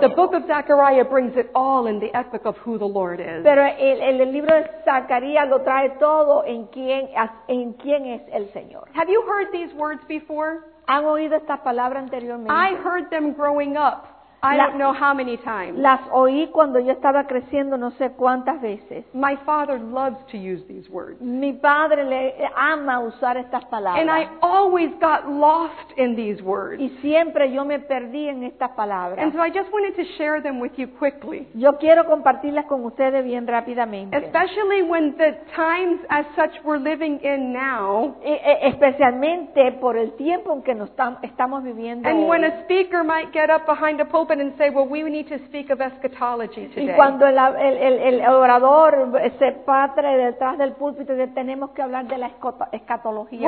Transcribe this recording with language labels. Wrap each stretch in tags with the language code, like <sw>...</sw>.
<en>But the book of Zechariah brings it all in the epic of who the Lord is.</en> <es>Pero el libro de Zacarías lo trae todo en quién es el Señor.</es> <en>Have you heard these words before?</en> <es>¿Han oído esta palabra anteriormente?</es> <en>I heard them growing up. I don't know how many times.</en> <es>Las oí cuando yo estaba creciendo, no sé cuántas veces.</es> <en>My father loves to use these words.</en> <es>Mi padre le ama usar estas palabras.</es> <en>And I always got lost in these words.</en> <es>Y siempre yo me perdí en estas palabras.</es> <en>And so I just wanted to share them with you quickly.</en> <es>Yo quiero compartirlas con ustedes bien rápidamente.</es> <en>Especially when the times as such we're living in now.</en> <es>Especialmente por el tiempo en que estamos viviendo. And hoy.</es> <en>When a speaker might get up behind a open and say, well, we need to speak of eschatology today.</en> <es>Y cuando el orador se patre detrás del púlpito dice, tenemos que hablar de la escatología.</es>